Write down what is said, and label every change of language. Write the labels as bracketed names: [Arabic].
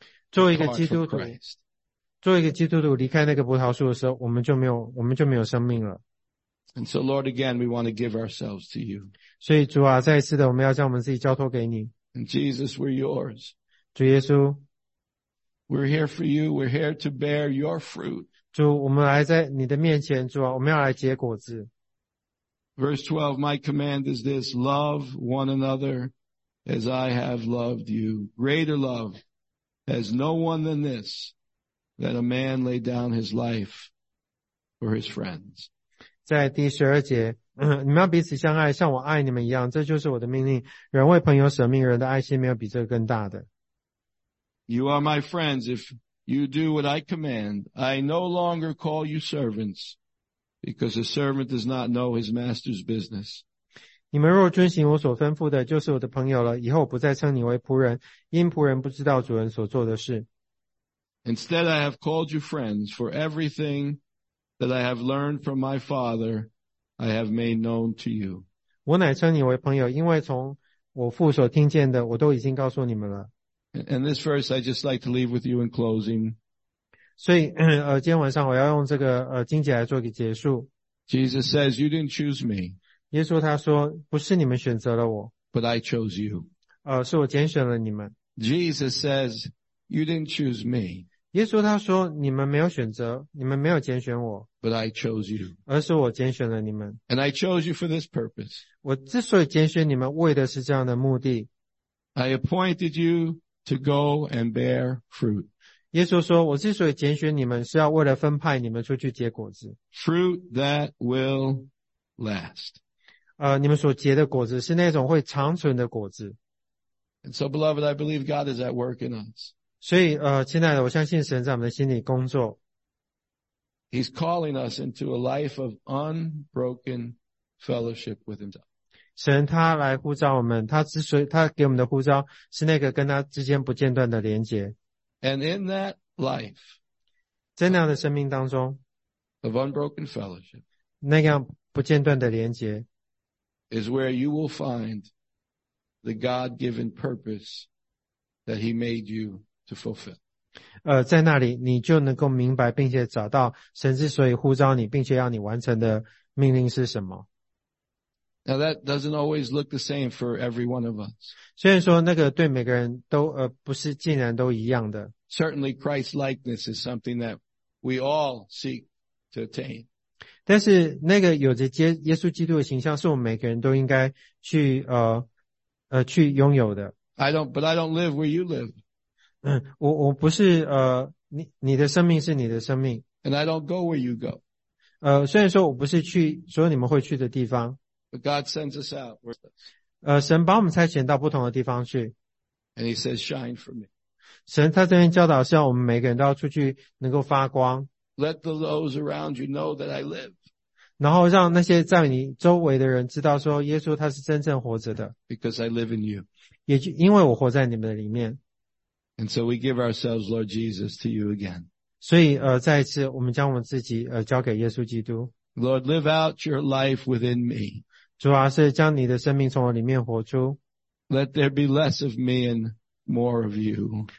[Chinese] 作为一个基督徒。作为一个基督徒离开那个葡萄树的时候我们就没有生命了。 [English] And so Lord again, we want to give ourselves to you. [Chinese] 所以主啊再一次的我们要将我们自己交托给你。 [English] And Jesus, we're yours. [Chinese] 主耶稣。 [English] We're here for you, we're here to bear your fruit. [Chinese] 主我们来在你的面前主啊我们要来结果子。 [English] Verse 12, my command is this, love one another as I have loved you. Greater love has no one than this. That a man lay down his life for his friends. [Chinese] 在第十二节，你们要彼此相爱，像我爱你们一样，这就是我的命令。人为朋友舍命，人的爱心没有比这个更大的。 [English] You are my friends if you do what I command. I no longer call you servants, because a servant does not know his master's business. [Chinese] 你们若遵行我所吩咐的，就是我的朋友了。以后不再称你为仆人，因仆人不知道主人所做的事。 [English] Instead, I have called you friends, for everything that I have learned from my Father, I have made known to you. [Chinese] 我乃称你为朋友，因为从我父所听见的，我都已经告诉你们了。 [English] And this verse, I just like to leave with you in closing. [Chinese] 所以，今天晚上我要用这个经节来做个结束。 [English] Jesus says, "You didn't choose me." [Chinese] 耶稣他说，不是你们选择了我。 [English] But I chose you. [Chinese] 是我拣选了你们。 [English] Jesus says. You didn't choose me. [Chinese] 耶稣他说你们没有选择你们没有拣选我 [English] But I chose you. [Chinese] 而是我拣选了你们 [English] And I chose you for this purpose. [Chinese] 我之所以拣选你们为的是这样的目的 [English] I appointed you to go and bear fruit. [Chinese] 耶稣说我之所以拣选你们是要为了分派你们出去结果子 [English] Fruit that will last. [Chinese] 你们所结的果子是那种会长存的果子 [English] And so beloved, I believe God is at work in us. [Chinese] 所以亲爱的我相信神在我们的心里工作。 [English] He's calling us into a life of unbroken fellowship with himself. [Chinese] 神他来呼召我们他给我们的呼召是那个跟他之间不间断的连结。 [English] And in that life, [Chinese] 在那样的生命当中 [English] of unbroken fellowship, [Chinese] 那样不间断的连结 [English] is where you will find the God-given purpose that he made you To fulfill. [Chinese] 在那里你就能够明白并且找到神之所以呼召你并且要你完成的命令是什么。 [English] Now that doesn't always look the same for every one of us. [Chinese] 虽然说那个对每个人都不是竟然都一样的。 [English] Certainly Christ's likeness is something that we all seek to attain. [Chinese] 但是那个有着耶稣基督的形象是我们每个人都应该去拥有的。 [English] I don't live where you live. [Chinese] 我不是你的生命是你的生命。 [English] And I don't go where you go. [Chinese] 虽然说我不是去所有你们会去的地方。 [English] But God sends us out. [Chinese] 神把我们差遣到不同的地方去。 [English] And he says, shine for me. [Chinese] 神他这边教导是要我们每个人都要出去能够发光。 [English] Let those around you know that I live. [Chinese] 然后让那些在你周围的人知道说耶稣他是真正活着的。 [English] Because I live in you. [Chinese] 也就因为我活在你们的里面。 [English] And so we give ourselves, Lord Jesus, to you again. [Chinese] 所以再一次我们将我们自己交给耶稣基督。 [English] Lord, live out your life within me. [Chinese] 主啊，是将你的生命从我里面活出。 [English] Let there be less of me and more of you.